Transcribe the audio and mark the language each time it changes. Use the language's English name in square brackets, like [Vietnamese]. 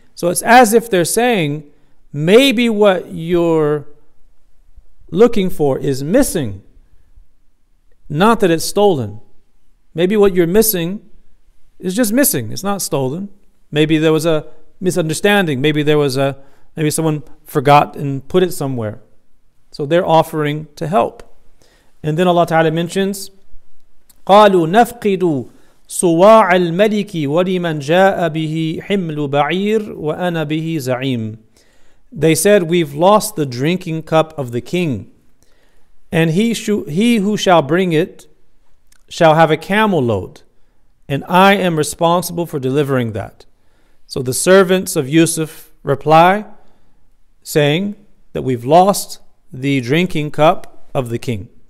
[English] So it's as if they're saying, maybe what you're looking for is missing. Not that it's stolen. Maybe what you're missing is just missing. It's not stolen. Maybe there was a misunderstanding. Maybe there was a, maybe someone forgot and put it somewhere. So they're offering to help. And then Allah Ta'ala mentions, [Arabic] قَالُوا نَفْقِدُوا صُوَاعَ الْمَلِكِ وَلِمَنْ جَاءَ بِهِ حِمْلُ بَعِيرٍ وَأَنَا بِهِ زَعِيمٍ. [English] They said, we've lost the drinking cup of the king, and he who shall bring it shall have a camel load, and I am responsible for delivering that. So the servants of Yusuf reply, saying that we've lost the drinking cup of the king.